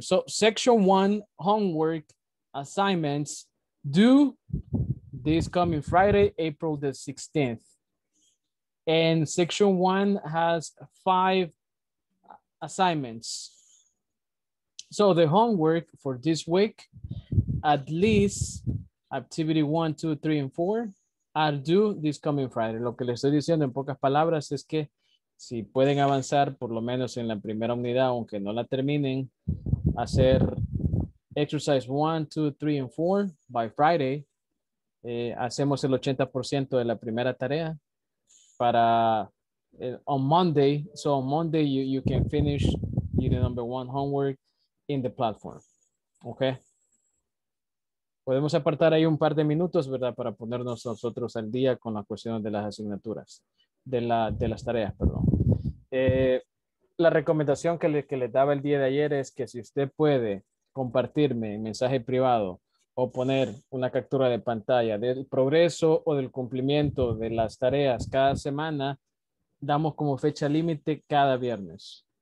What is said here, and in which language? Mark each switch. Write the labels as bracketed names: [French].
[English] So section one, homework assignments, due this coming Friday, April the 16th. And section one has five assignments. So the homework for this week, at least activity 1, 2, 3, and 4 are due this coming Friday. [Spanish] Lo que le estoy diciendo en pocas palabras es que si pueden avanzar por lo menos en la primera unidad, aunque no la terminen, hacer [English] exercise 1, 2, 3, and 4 by Friday, [Spanish] hacemos el 80% de la primera tarea para [English] on Monday. So on Monday you can finish unit number one homework in the platform. Okay. [Spanish] Podemos apartar ahí un par de minutos, ¿verdad? Para ponernos nosotros al día con las cuestiones de las asignaturas, de las tareas, perdón. La recomendación que le daba el día de ayer es que si usted puede compartirme en mensaje privado o poner una captura de pantalla del progreso o del cumplimiento de las tareas cada semana, damos como fecha límite cada viernes.